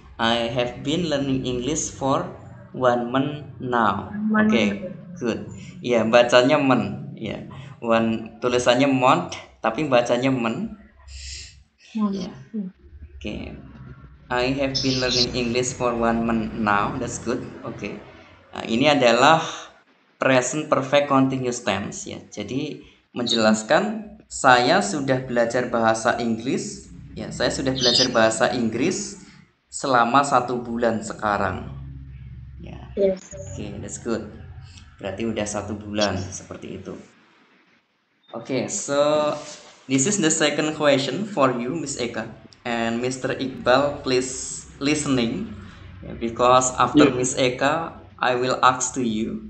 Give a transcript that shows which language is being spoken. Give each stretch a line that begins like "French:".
English: I have been learning English for 1 month now.
Indonesian: Okay. Good. Ya, yeah, bacanya men. Ya. Yeah. One tulisannya month tapi bacanya men. Yeah. Oke. Okay.
English: I have been learning English for 1 month now. That's good. Oke. Okay.
Indonesian: Nah, ini adalah present perfect continuous tense ya. Yeah. Jadi menjelaskan saya sudah belajar bahasa Inggris. Ya, yeah, saya sudah belajar bahasa Inggris selama 1 bulan sekarang. Ya. Yeah. Yes.
English: Oke, okay, that's good.
Indonesian: Berarti udah 1 bulan seperti itu.
English: Oke, okay, so this is the second question for you, Miss Eka. And Mr. Iqbal, please listening. Because after Miss Eka, I will ask to you.